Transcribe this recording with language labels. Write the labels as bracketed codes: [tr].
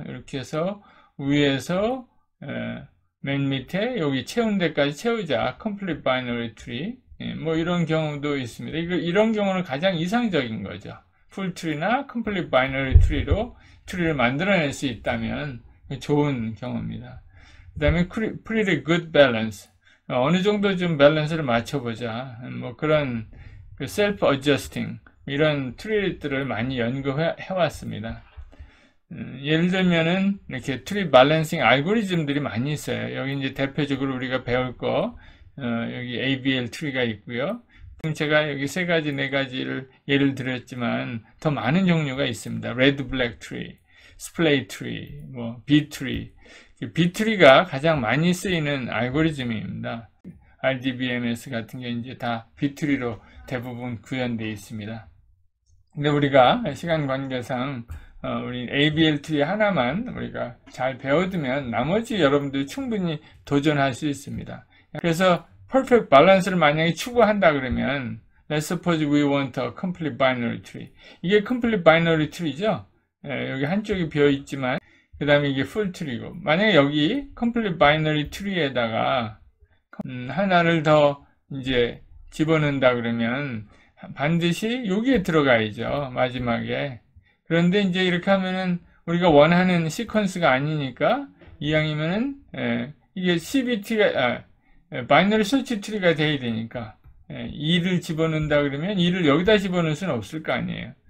[ko] 이렇게 해서 위에서 맨 밑에 여기 채운 데까지 채우자, complete binary 트리. 예, 뭐 이런 경우도 있습니다. 이런 경우는 가장 이상적인 거죠. 풀 트리나 complete binary 트리로 트리를 만들어낼 수 있다면 좋은 경우입니다. [en] 그 다음에 pretty good balance. [ko] 어느 정도 좀 밸런스를 맞춰보자. 뭐 그런 그 self adjusting 이런 트리들을 많이 연구해왔습니다. 예를 들면은 이렇게 트리 밸런싱 알고리즘들이 많이 있어요. 여기 이제 대표적으로 우리가 배울 거 여기 ABL 트리가 있고요. 제가 여기 세 가지 네 가지를 예를 들었지만 더 많은 종류가 있습니다. [en] red black tree, splay tree, 뭐 B tree. [ko] 비트리가 가장 많이 쓰이는 알고리즘입니다. RDBMS 같은 게 이제 다 비트리로 대부분 구현되어 있습니다. 근데 우리가 시간 관계상 우리 ABL 트리 하나만 우리가 잘 배워두면 나머지 여러분들이 충분히 도전할 수 있습니다. 그래서 퍼펙트 밸런스를 만약에 추구한다 그러면 [en] Let's suppose we want a complete binary tree. [ko] 이게 complete binary tree죠? 여기 한쪽이 비어 있지만 그 다음에 이게 풀 트리고 만약에 여기 complete binary 트리에다가 하나를 더 이제 집어넣는다 그러면 반드시 여기에 들어가야죠 마지막에. 그런데 이제 이렇게 하면은 우리가 원하는 시퀀스가 아니니까 이왕이면은 이게 CBT가 binary search 트리가 돼야 되니까 2를 집어넣는다 그러면 2를 여기다 집어넣을 수는 없을 거 아니에요.